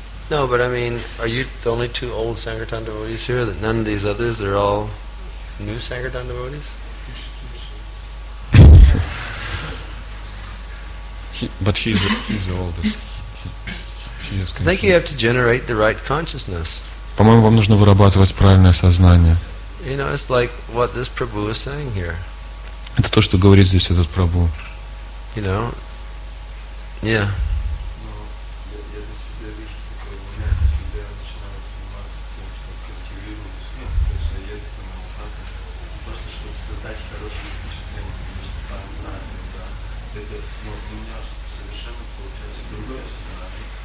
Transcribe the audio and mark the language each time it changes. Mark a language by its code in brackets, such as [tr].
[en] No, but I mean, are you the only two old Sankirtan devotees here? That none of these others are all new Sankirtan devotees? He's the oldest. I think you have to generate the right consciousness. [ru] По-моему, вам нужно вырабатывать правильное сознание. [en] You know, it's like what this Prabhu is saying here. [ru] Это то, что говорит здесь этот Прабху. [en] You know? Yeah. [ru] Совершенно получается другое состояние.